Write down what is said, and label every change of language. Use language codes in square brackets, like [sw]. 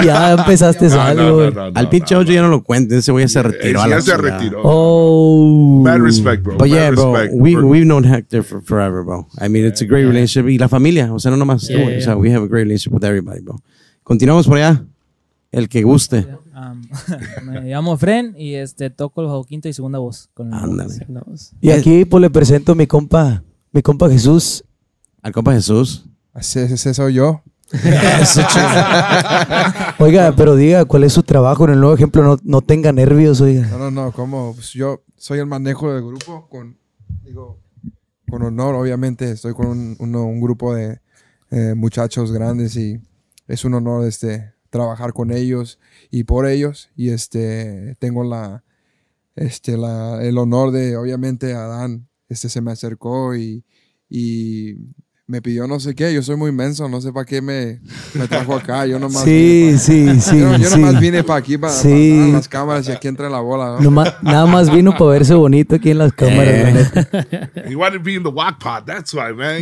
[es] Ya empezaste algo. Al pinche LJ ya no lo cuentes. Ese wey ya se retiró. Ya se retiró. Oh. [en] Bad respect, bro. But yeah, bro. We've known Hector for forever, bro. I mean, it's a great relationship. [es] Y la familia, o sea, no nomás. O sea, [en] we have a great relationship with everybody. [es] Continuamos por allá, el que guste. Me llamo Fren y toco el bajo quinto y segunda voz. Ándale. Y aquí pues le presento a mi compa Jesús. ¿Al compa Jesús? Ese soy yo. Eso, chido. Oiga, pero diga, ¿cuál es su trabajo en el Nuevo Ejemplo? No tenga nervios, oiga. No, ¿cómo? Pues yo soy el manejo del grupo con honor, obviamente. Estoy con un grupo de muchachos grandes y es un honor trabajar con ellos y por ellos. Y tengo el honor de, obviamente, Adán se me acercó y me pidió no sé qué. Yo soy muy menso, no sé para qué me trajo acá. Yo nomás vine para aquí para las cámaras y aquí entra la bola, ¿no? Nada más vino para verse bonito aquí en las cámaras. [en] He wanted to be in the wok pot, that's why, man.